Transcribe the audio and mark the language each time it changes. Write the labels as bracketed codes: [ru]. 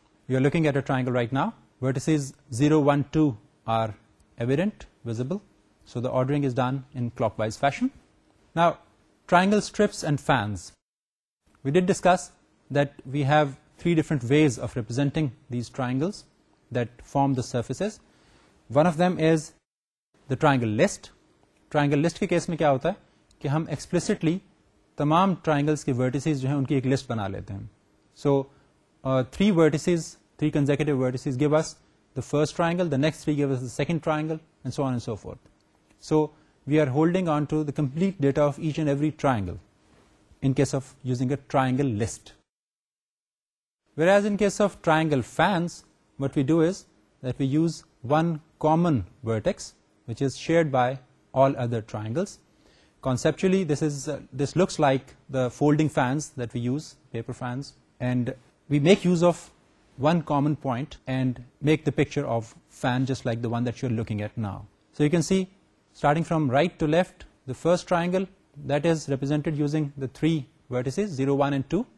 [en] You are looking at a triangle right now. Vertices 0, 1, 2 are evident, visible. So the ordering is done in clockwise fashion. Now, triangle strips and fans. We did discuss that we have three different ways of representing these triangles that form the surfaces. One of them is the triangle list. [ur] Triangle list کے case میں کیا ہوتا ہے کہ ہم explicitly تمام triangles کے vertices جو ہیں ان کی ایک لسٹ بنا لیتے ہیں [en] So three vertices three consecutive vertices give us the first triangle the next three give us the second triangle and so on and so forth so we are holding on to the complete data of each and every triangle in case of using a triangle list whereas in case of triangle fans what we do is that we use one common vertex which is shared by all other triangles. Conceptually, this looks like the folding fans that we use, paper fans, and we make use of one common point and make the picture of fan just like the one that you're looking at now. So you can see starting from right to left, the first triangle that is represented using the three vertices 0, 1 and 2.